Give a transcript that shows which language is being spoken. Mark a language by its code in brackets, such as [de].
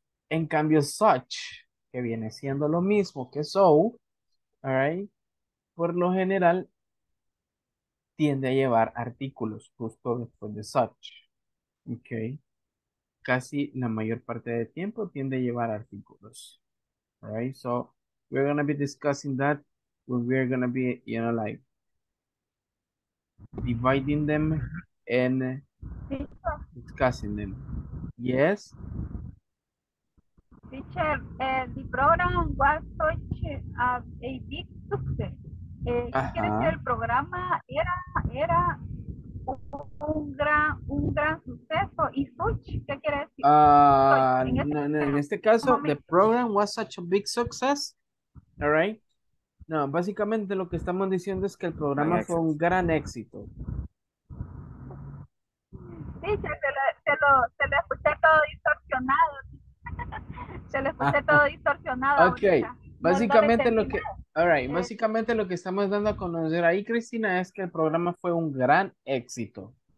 [es] En cambio, such, que viene siendo lo mismo que so, alright, por lo general tiende a llevar artículos justo después de such. Ok. Casi la mayor parte del tiempo tiende a llevar artículos. [en] Alright. So, we're going to be discussing that when we're going to be, you know, like, dividing them and discussing them. Yes. Teacher, the program was such a big success. [es] El programa era un gran suceso. ¿Y such? ¿Qué quiere decir? En este caso, [en] the program was such a big success. All right. [es] No, básicamente lo que estamos diciendo es que el programa fue un gran éxito. Sí, se lo escuché todo distorsionado. [en] Okay. [es] Básicamente lo que estamos dando a conocer ahí, Cristina, es que el programa fue un gran éxito.